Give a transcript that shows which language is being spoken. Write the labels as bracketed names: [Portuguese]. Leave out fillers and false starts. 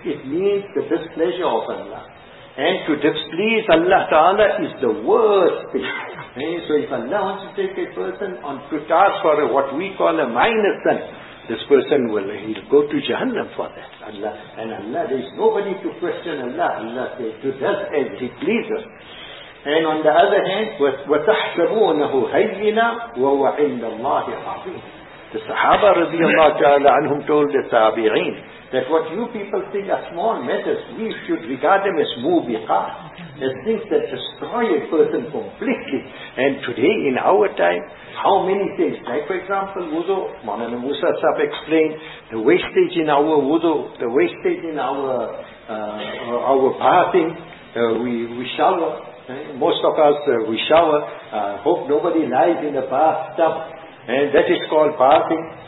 [English] It means the displeasure of Allah. And to displease Allah Ta'ala is the worst thing. So if Allah wants to take a person on to task for what we call a minor sin, this person he'll go to Jahannam for that. Allah, and Allah, there is nobody to question Allah. Allah says, to us as He pleases. And on the other hand, [Arabic] وَتَحْسَبُونَهُ هَيِّنَا وَهُوَ عِنْدَ اللَّهِ عَظِيمٌ. [English] The Sahaba رضي الله تعالى عنهم told the Tabi'een that what you people think are small matters, we should regard them as mubiqah, as things that destroy a person completely. And today in our time, how many things, like for example wudu, Maulana Musa Sahib explained, the wastage in our wudu, the wastage in our bathing, we shower, most of us we shower, hope nobody lies in the bathtub, and that is called bathing.